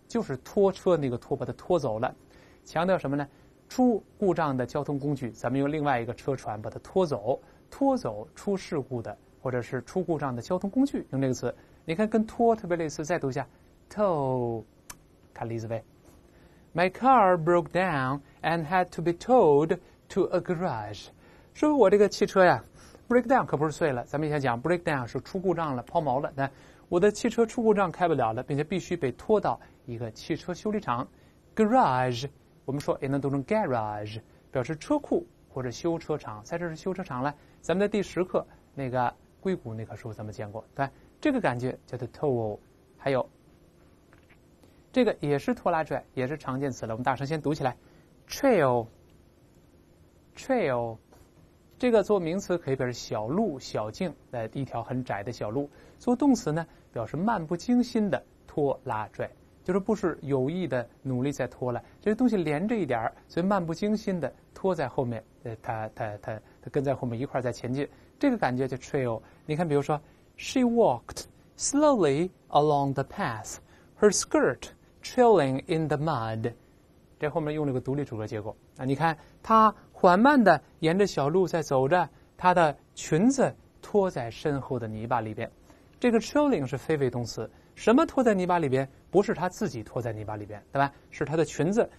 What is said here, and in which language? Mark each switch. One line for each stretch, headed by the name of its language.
Chinese: 就是拖车那个拖，把它拖走了。强调什么呢？出故障的交通工具，咱们用另外一个车船把它拖走，拖走出事故的或者是出故障的交通工具，用这个词。你看跟拖特别类似，再读一下 ，tow， 看例子呗。
English: My car broke down and had to be towed to a garage。
Chinese: 说我这个汽车呀 ，break down 可不是碎了，咱们以前讲 break down 是出故障了、抛锚了，那。我的汽车出故障开不了了，并且必须被拖到一个汽车修理厂 garage， 我们说也能读成 garage， 表示车库或者修车厂，在这是修车厂了。咱们在第十课那个硅谷那棵树咱们见过，对，这个感觉叫做 tow。还有这个也是拖拉拽，也是常见词了，我们大声先读起来 trail。这个做名词可以表示小路、小径，一条很窄的小路。做动词呢，表示漫不经心的拖拉拽，就是不是有意的努力在拖了，这些东西连着一点，所以漫不经心的拖在后面，它跟在后面一块在前进，这个感觉叫 trail。你看比如说
English: She walked slowly along the path, her skirt trailing in the mud。
Chinese: 这后面用了个独立组合结构啊，你看她缓慢地沿着小路在走着，她的裙子拖在身后的泥巴里边。这个 trailing 是非谓动词，什么拖在泥巴里边？不是她自己拖在泥巴里边，对吧？是她的裙子。